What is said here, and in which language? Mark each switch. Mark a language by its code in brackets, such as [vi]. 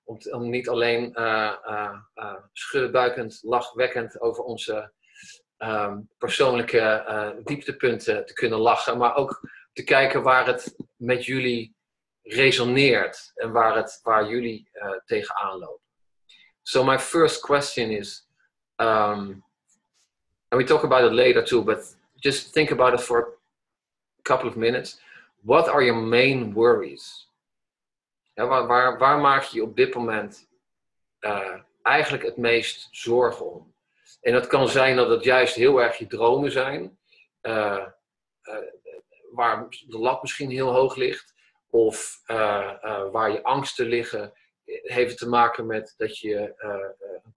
[nl] Om niet alleen schuddebuikend, lachwekkend over onze persoonlijke dieptepunten te kunnen lachen. Maar ook te kijken waar het met jullie resoneert. En waar jullie tegenaan lopen. [en] So my first question is, and we talk about it later too, but just think about it for a couple of minutes. What are your main worries? [nl] Ja, waar maak je op dit moment eigenlijk het meest zorgen om? En dat kan zijn dat het juist heel erg je dromen zijn, waar de lat misschien heel hoog ligt, of waar je angsten liggen, heeft het te maken met dat je een